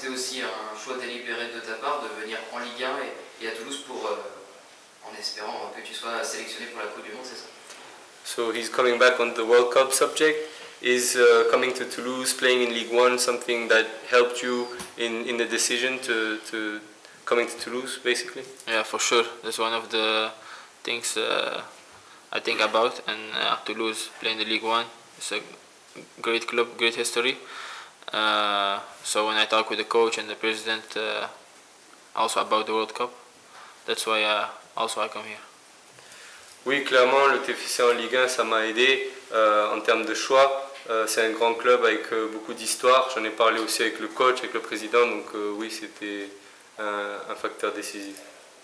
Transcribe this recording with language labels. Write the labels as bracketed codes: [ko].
[fr] C'était aussi un choix délibéré de ta part de venir en Ligue 1 et à Toulouse pour en espérant que tu sois sélectionné pour la Coupe du Monde, c'est ça? [en] So he's coming back on the World Cup subject. Is coming to Toulouse, playing in Ligue 1, something that helped you in the decision to coming to Toulouse, basically? Yeah, for sure. That's one of the things I think about. And Toulouse, playing the Ligue 1, it's a great club, great history. So when I talk with the coach and the president also about the World Cup, that's why also I come here. [fr] Oui, clairement, le TFC en Ligue 1, ça m'a aidé en termes de choix. C'est un grand club avec beaucoup d'histoire. J'en ai parlé aussi avec le coach, avec le président. Donc oui, c'était un facteur décisif.